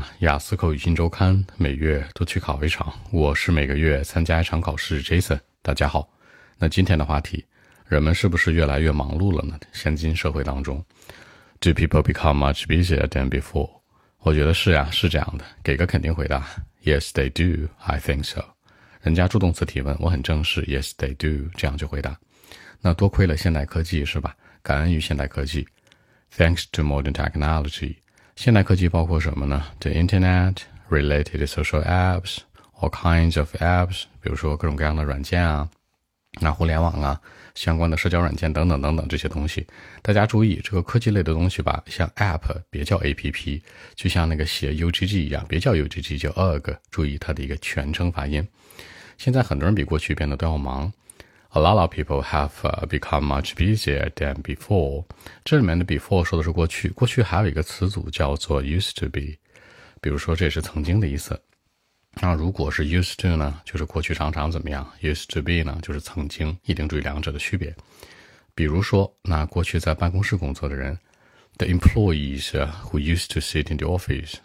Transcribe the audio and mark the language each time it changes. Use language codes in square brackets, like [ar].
[zh] 雅思口语新周刊每月都去考一场，我是每个月参加一场考试 Jason。大家好，那今天的话题，人们是不是越来越忙碌了呢？ [en] 现今社会当中 Do people become much busier than before? [zh] 我觉得是呀，是这样的，给个肯定回答 Yes, they do, I think so。人家助动词提问，我很正式 Yes, they do, 这样就回答。那多亏了现代科技是吧，感恩于现代科技 Thanks to modern technology。现代科技包括什么呢？ The internet, related social apps, all kinds of apps, 比如说各种各样的软件啊，那互联网啊，相关的社交软件等等等等这些东西。大家注意，这个科技类的东西吧，像 app, 别叫 app, 就像那个写 UGG 一样，别叫 UGG, 叫 UGG, 注意它的一个全称发音。现在很多人比过去变得都要忙。 [en] A lot of people have become much busier than before. [zh] 这里面的 before 说的是过去，过去还有一个词组叫做 used to be. 比如说这也是曾经的意思。那如果是 used to 呢，就是过去常常怎么样， used to be 呢，就是曾经，一定注意两者的区别。 [en] 比如说那过去在办公室工作的人， The employees who used to sit in the office.